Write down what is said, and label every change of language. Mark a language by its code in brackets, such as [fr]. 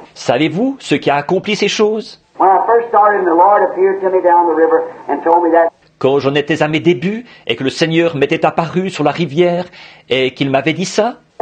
[fr] Savez-vous ce qui a accompli ces choses? [en] When I first started, the Lord appeared to me down the river and told me that. [fr] Quand j'en étais à mes débuts et que le Seigneur m'était apparu sur la rivière et qu'il m'avait dit ça.